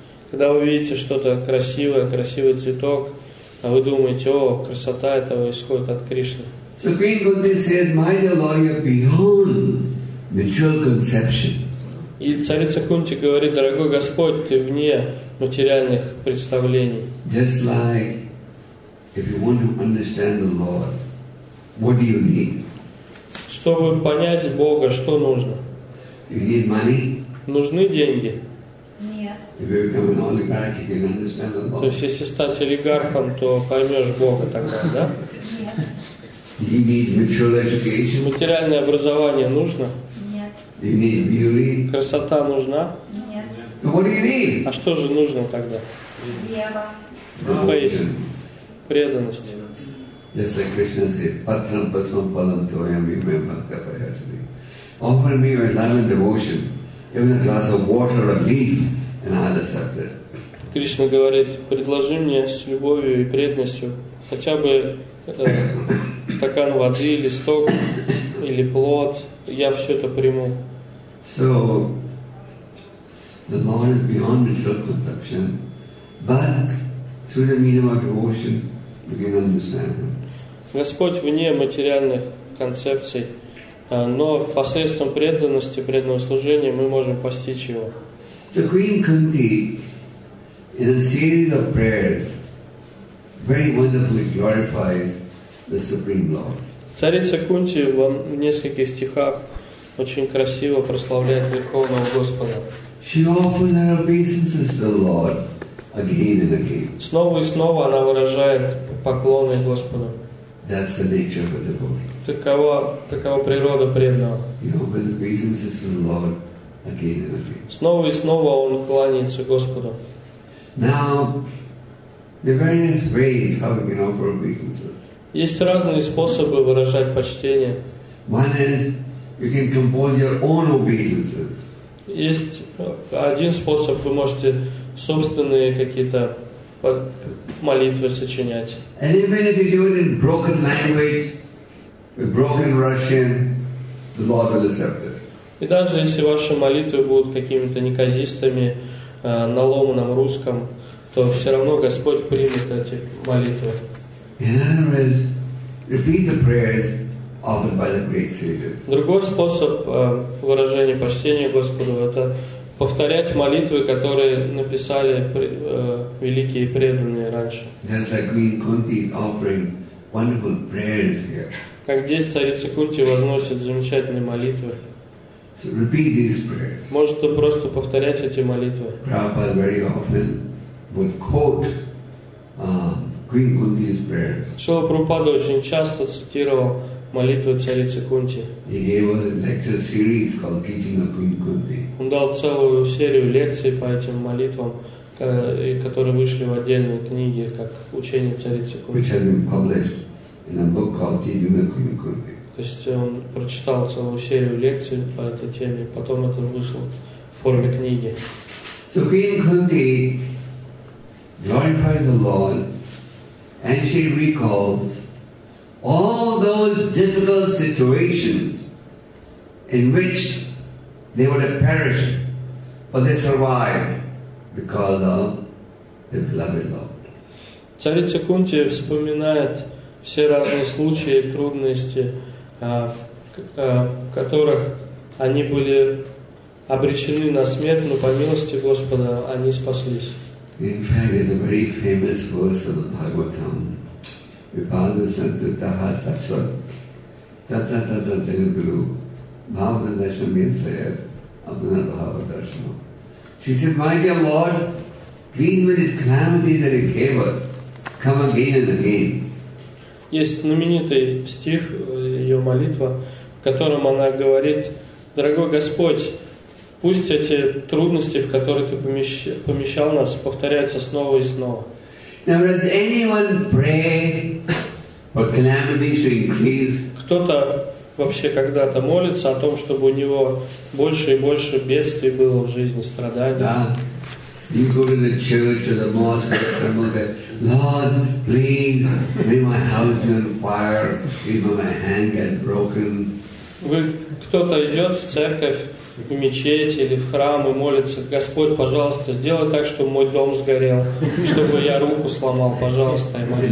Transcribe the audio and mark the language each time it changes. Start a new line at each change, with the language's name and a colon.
Russian: Когда вы видите что-то красивое, красивый цветок, а вы думаете, о, красота этого исходит от Кришны.
English: So Queen Kunti says, my dear Lord, you're beyond material conception.
Russian: И царица Кунти говорит, дорогой Господь, ты вне материальных представлений.
English: Just like if you want to understand the Lord, what do you need?
Russian: Чтобы понять Бога, что нужно?
English: You need money?
Russian: Нужны деньги? Нет.
English: If you become an oligarch, you can understand the Lord.
Russian: То есть если стать олигархом, то поймешь Бога тогда, да?
English: You need material education?
Russian: Материальное образование нужно? Нет.
English: You need beauty?
Russian: Красота нужна? Нет.
English: So what do you need?
Russian: А что же нужно тогда? Вера.
English: Faith.
Russian: Преданность.
English: Just like Krishna said,
Sanskrit: Patram Pasmam Palam Toyam Yumem Bhaktapayasri.
English: Offer me your love and devotion, even a glass of water or a leaf, and I'll accept it.
Russian: Кришна говорит, предложи мне с любовью и преданностью хотя бы стакан воды, листок или плод, я все это приму.
English: So the Lord is beyond material conception, but through the medium of devotion we can understand Him.
Russian: Господь вне материальных концепций, но посредством преданности, преданного служения мы можем постичь Его.
English: So Queen Kunti in a series of prayers very wonderfully glorifies the Supreme Lord.
Russian: Царица Кунти в нескольких стихах очень красиво прославляет Верховного Господа.
English: She offers her obeisances to the Lord again and again.
Russian: Снова и снова она выражает поклоны Господу.
English: That's the nature of a devotee.
Russian: Такова природа преданного.
English: He offers obeisances to the Lord again and again.
Russian: Снова и снова он кланяется Господу.
English: Now, the various ways how we can offer obeisances.
Russian: Есть разные способы выражать почтение.
English: One is you can compose your own obeisances.
Russian: Есть один способ, вы можете собственные какие-то молитвы сочинять.
English: And even if you do it in broken language, with broken Russian, the Lord will accept it.
Russian: И даже если ваши молитвы будут какими-то неказистыми, на ломаном русском, то все равно Господь примет эти молитвы.
English: In other words, repeat the prayers offered by the great sages.
Russian: Другой способ выражения почтения Господу — это повторять молитвы, которые написали великие преданные раньше.
English: Just like Queen Kunti offering wonderful prayers here.
Russian: Как здесь царица Кунти возносит замечательные молитвы.
English: So repeat these prayers.
Russian: Может, просто повторять эти молитвы.
English: Prabhupada very often would quote Queen Kunti's prayers.
Russian: Шрила Прабхупада очень часто цитировал молитвы царицы Кунти.
English: He gave a lecture series called Teaching of Queen Kunti.
Russian: Он дал целую серию лекций по этим молитвам, которые вышли в отдельной книге, как учение царицы Кунти.
English: Which had been published in a book called Teaching of Queen Kunti.
Russian: То есть он прочитал целую серию лекций по этой теме, потом это вышло в форме книги.
English: So Queen Kunti glorifies the Lord. And she recalls all those difficult situations in which they would have perished, but they survived because of the beloved Lord.
Russian: Царица Кунти вспоминает все разные случаи, трудности, в которых они были обречены на смерть, но по милости Господа они спаслись.
English: In fact, there's a very famous verse of the Bhagavatam.
Sanskrit: Vipadu santutaha sashvat tatatata jagadguru bhavadandashnam yinsayat abhanar bhavadarshanam.
English: She said, "My dear Lord, please, with these calamities that He gave us, come again and again."
Russian: Есть знаменитый стих ее молитва, в котором она говорит: «Дорогой Господь, пусть эти трудности, в которые Ты помещал нас, повторяются снова и снова».
English: Now, does anyone pray for calamity to increase?
Russian: Кто-то вообще когда-то молится о том, чтобы у него больше и больше бедствий было в жизни, страданий? Да.
English: You go to the church or the mosque or the temple and say, "Lord, please, may my house be on fire, even my hand get broken."
Russian: Вы кто-то идет в церковь, в мечеть или в храм и молится: «Господь, пожалуйста, сделай так, чтобы мой дом сгорел, чтобы я руку сломал, пожалуйста, и